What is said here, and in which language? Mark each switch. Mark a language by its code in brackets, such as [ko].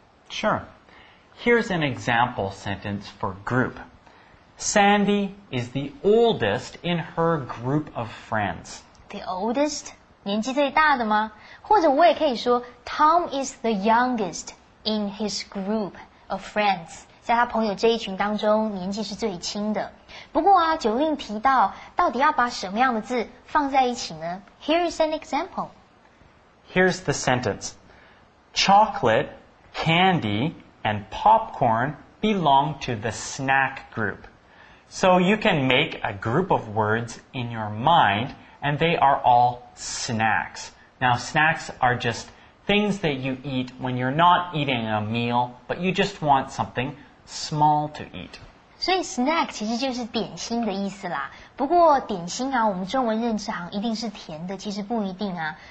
[en] Sure. Here's an example sentence for groupSandy is the oldest in her group of friends. The oldest? [zh] 年纪最大的吗？或者我也可以说 [en] Tom is the youngest in his group of friends. [zh] 在他朋友这一群当中年纪是最轻的。不过啊 Jolene 提到到底要把什么样的字放在一起呢？ [en] Here is an example. Here's the sentence. Chocolate, candy, and popcorn belong to the snack group. So you can make a group of words in your mind, and they are all snacks. Now, snacks are just things that you eat when you're not eating a meal, but you just want something small to eat. [zh] 所以 snack 其实就是点心的意思啦。不过点心啊，我们中文认识好像一定是甜的，其实不一定啊。